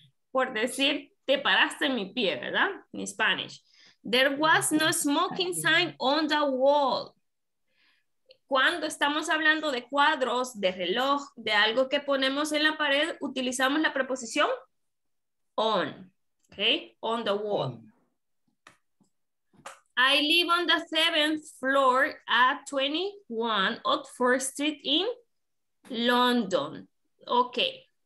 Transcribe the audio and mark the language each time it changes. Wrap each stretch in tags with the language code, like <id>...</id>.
<es>Por decir, te paraste en mi pie, ¿verdad?</es> <en>In Spanish. There was no smoking sign on the wall.</en> <es>Cuando estamos hablando de cuadros, de reloj, de algo que ponemos en la pared, utilizamos la preposición on, okay?</es> <en>On the wall. I live on the 7th floor at 21 Oxford Street in London. Okay.</en>